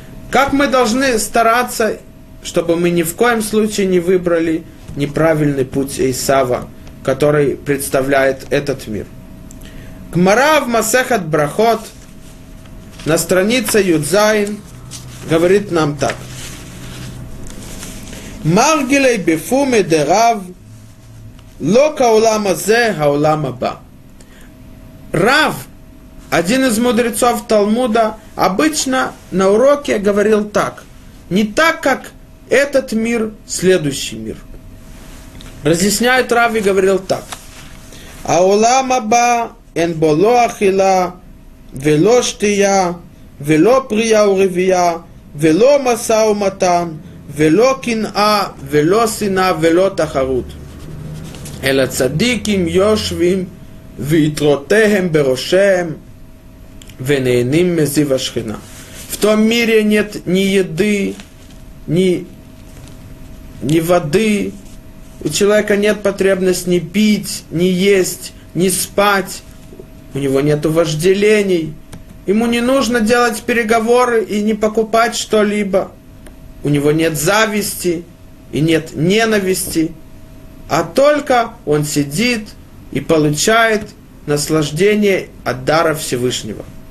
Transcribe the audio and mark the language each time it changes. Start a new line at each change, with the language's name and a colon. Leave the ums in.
Russian: Как мы должны стараться, чтобы мы ни в коем случае не выбрали неправильный путь Исава, который представляет этот мир. Гмара в Масехат Брахот на странице Юдзайн говорит нам так.
Hebrew: מרגלי בפומי דרב, לא כעולם הזה, העולם הבא.
Russian: Рав, один из мудрецов Талмуда, обычно на уроке говорил так. Не так, как этот мир, следующий мир. Разъясняет Рав и говорил так.
Hebrew: Аулам аба эн боло ахила, вело штия, вело прия уревия, вело маса уматан, ולא קנאה, ולא שנאה, ולא תחרות, אלא צדיקים יושבים ויתרותיהם בראשיהם, ונהנים מזיו השכינה.
Russian: В том мире нет ни еды, ни, ни воды, у человека нет потребности ни пить, ни есть, ни спать, у него нет вожделений, ему не нужно делать переговоры и не покупать что-либо у него нет зависти и нет ненависти, а только он сидит и получает наслаждение от дара Всевышнего.